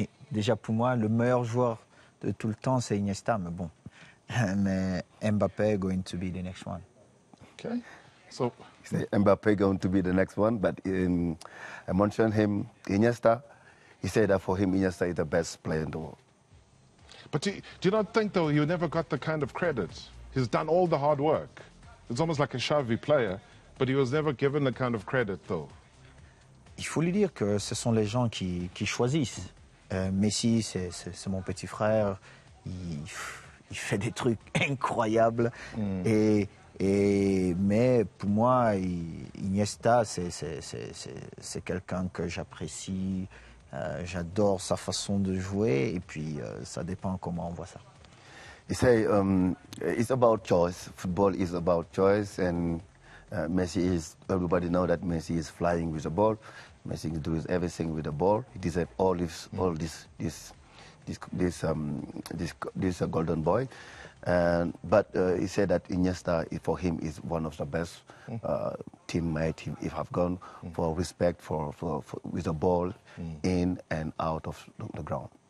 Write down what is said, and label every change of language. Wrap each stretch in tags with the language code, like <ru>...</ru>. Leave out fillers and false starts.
<fr>Déjà pour moi, le meilleur joueur de tout le temps, c'est Iniesta, mais bon.</fr> <en>Mais Mbappé is going to be the next one. Okay. So, Mbappé is going to be the next one, but I mentioned him, Iniesta. He said that for him, Iniesta is the best player in the world. But do you not think, though, you never got the kind of credit? He's done all the hard work. It's almost like a Xavi player, but he was never given the kind of credit, though.</en> <fr>Il faut lui dire que ce sont les gens qui choisissent. Messi, c'est mon petit frère, il fait des trucs incroyables. Mm. Mais pour moi, Iniesta, c'est quelqu'un que j'apprécie, j'adore sa façon de jouer, et puis ça dépend comment on voit ça. Il dit,</fr> <en>it's about choice. Football is about choice, and Messi is, everybody knows that Messi is flying with the ball. Messi does everything with the ball. He deserves all this golden boy. But he said that Iniesta, for him, is one of the best teammates he have gone for respect for with the ball in and out of the ground.</en>